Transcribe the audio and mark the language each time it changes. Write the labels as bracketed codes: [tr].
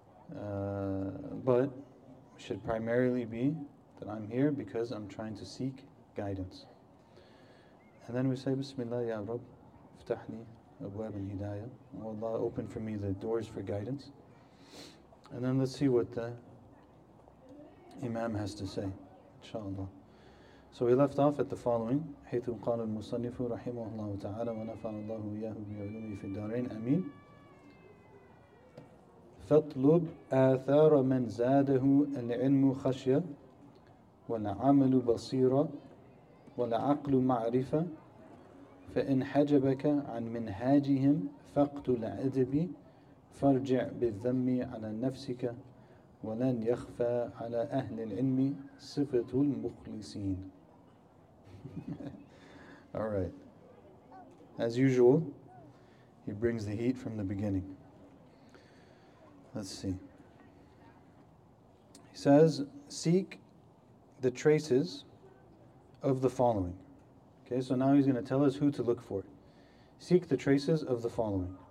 [en] But should primarily be that I'm here because I'm trying to seek guidance. And then we say, Bismillah, Ya Rabb, Iftahni Abwab al-Hidayah. Oh Allah, open for me the doors for guidance. And then let's see what the Imam has to say, inshaAllah. [ar] So we left off at the following, حَيْثُ قَالُ الْمُصَنِّفُ رَحِمُهُ اللَّهُ تَعَالَى وَنَفَعَ اللَّهُ إِيَّهُ بِعُلُومِهِ فِي الدَّارَيْنِ أَمِينَ فَطْلُبْ آثَارَ مَنْ زَادَهُ الْعِلْمُ خَشْيَةً وَالْعَمَلُ بَصِيرًا وَالْعَقْلُ مَعْرِفَةً فَإِنْ حَجَبَكَ عَنْ مِنْهَاجِهِمْ فَاقْتُلْ عَدْبِي فَارْجِعْ بِالذَّمِّ عَلَى نَفْسِكَ وَلَنْ يَخْفَى عَلَى أَهْلِ الْعِلْمِ صِفَةُ الْمُخْلِصِينَ All right. [en] As usual, he brings the heat from the beginning. Let's see. He says, seek the traces of the following. Okay, so now he's going to tell us who to look for. Seek the traces of the following.